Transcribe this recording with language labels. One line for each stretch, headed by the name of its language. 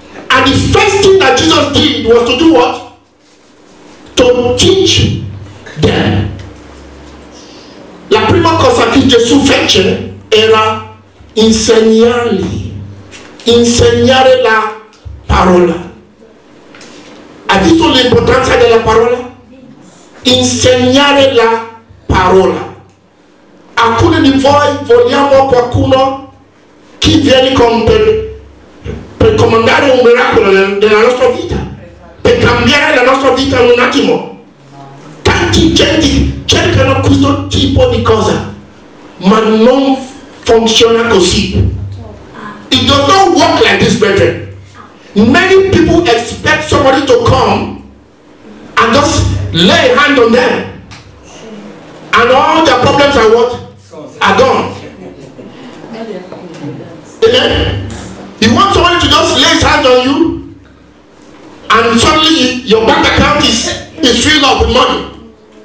English: And the first thing that Jesus did was to do what? To teach them.
Italian: La prima cosa che Gesù fece era insegnarli, insegnare la parola. Ha visto l'importanza della parola? Insegnare la parola. Alcuni di voi vogliamo qualcuno che viene con per comandare un miracolo nella nostra vita, per cambiare la nostra vita in un attimo. Tanti gente cercano questo tipo di cosa, ma non funziona così.
English: It does not work like this, brethren. Many people expect somebody to come and just lay a hand on them, and all their problems are what? Are gone. Amen. You want somebody to just lay his hand on you, and suddenly your bank account is filled up with money.